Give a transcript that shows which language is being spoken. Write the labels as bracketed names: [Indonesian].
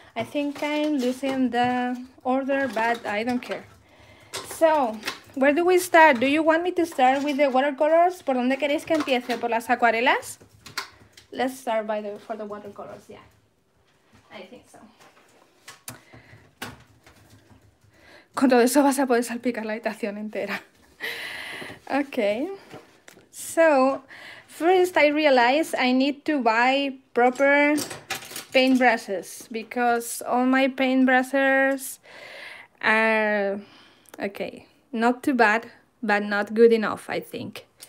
[English] I think I'm losing the order, but I don't care. So, where do we start? Do you want me to start with the watercolors? [Spanish] ¿Por dónde queréis que empiece? ¿Por las acuarelas? [English] Let's start by the for the watercolors, yeah. I think so. [Spanish] Con todo eso vas a poder salpicar la habitación entera. [English] Okay. So, first I realized I need to buy proper paintbrushes because all my paintbrushes are, okay, not too bad, but not good enough, I think.